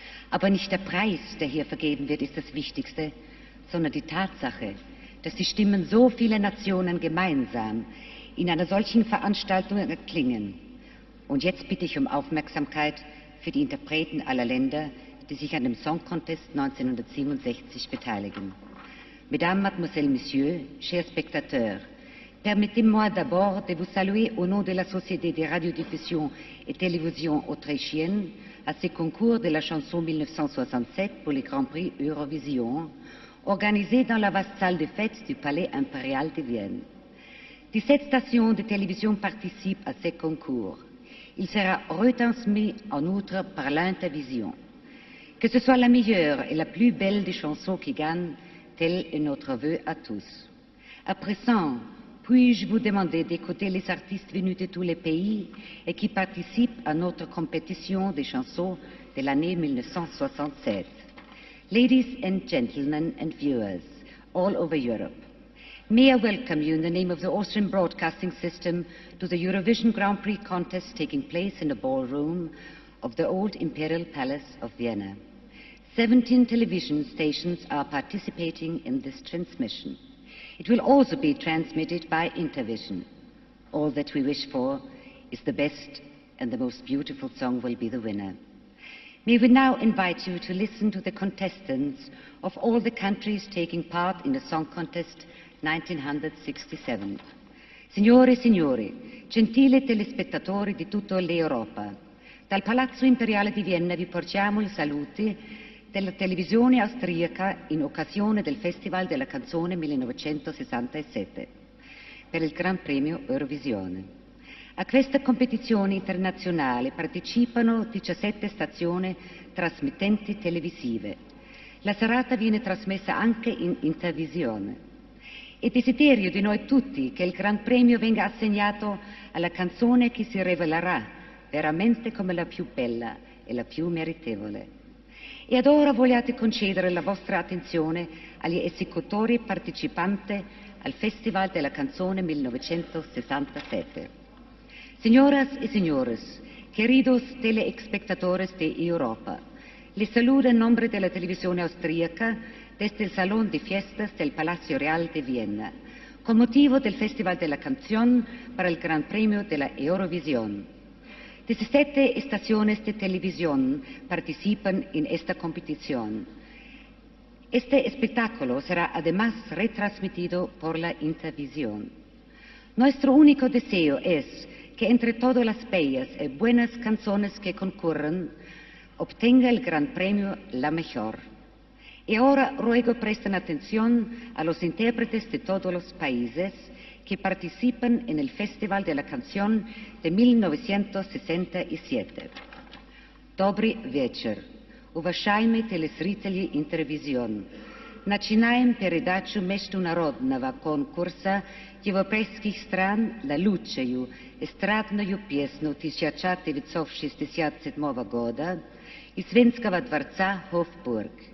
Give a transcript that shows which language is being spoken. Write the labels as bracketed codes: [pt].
[de] Aber nicht der Preis, der hier vergeben wird, ist das Wichtigste, sondern die Tatsache, dass die Stimmen so vieler Nationen gemeinsam in einer solchen Veranstaltung erklingen. Und jetzt bitte ich um Aufmerksamkeit für die Interpreten aller Länder, die sich an dem Song Contest 1967 beteiligen. [fr] Mesdames, Mademoiselles, Messieurs, chers spectateurs, permettez-moi d'abord de vous saluer au nom de la Société de Radiodiffusion et Télévision autrichienne à ce concours de la chanson 1967 pour le Grand Prix Eurovision, organisé dans la vaste salle de fêtes du Palais Impérial de Vienne. 17 stations de télévision participent à ce concours. Il sera retransmis en outre par l'Intervision. Que ce soit la meilleure et la plus belle des chansons qui gagnent, tel est notre vœu à tous. À présent, puis-je vous demander d'écouter les artistes venus de tous les pays et qui participent à notre compétition des chansons de l'année 1967. [en] Ladies and gentlemen and viewers all over Europe, may I welcome you in the name of the Austrian Broadcasting System to the Eurovision Grand Prix contest taking place in the ballroom of the old Imperial Palace of Vienna. 17 television stations are participating in this transmission. It will also be transmitted by Intervision. All that we wish for is the best and the most beautiful song will be the winner. May we now invite you to listen to the contestants of all the countries taking part in the song contest 1967. [it] Signore e signori, gentili telespettatori di tutta l'Europa, Dal Palazzo Imperiale di Vienna vi portiamo i saluti della televisione austriaca in occasione del Festival della Canzone 1967 per il Gran Premio Eurovisione. A questa competizione internazionale partecipano 17 stazioni trasmittenti televisive. La serata viene trasmessa anche in intervisione. È desiderio di noi tutti che il Gran Premio venga assegnato alla canzone che si rivelerà veramente come la più bella e la più meritevole. E ad ora vogliate concedere la vostra attenzione agli esecutori partecipanti al Festival della Canzone 1967. [es] Signoras e signores, queridos telespectadores de Europa, les saludo en nombre de la televisión austríaca desde el Salón de Fiestas del Palacio Real de Viena, con motivo del Festival de la Canción para el Gran Premio de la Eurovisión. 17 estaciones de televisión participan en esta competición. Este espectáculo será además retransmitido por la Intervisión. Nuestro único deseo es que entre todas las bellas y buenas canciones que concurren, obtenga el Gran Premio la mejor. Y ahora ruego presten atención a los intérpretes de todos los países que participan en el Festival de la Canción de 1967. [ru] Добрый вечер, уважаемые телезрители Интервизион. Начинаем передачу международного конкурса европейских стран на лучшую эстрадную песню 1967 года из Свенского дворца Хофбург.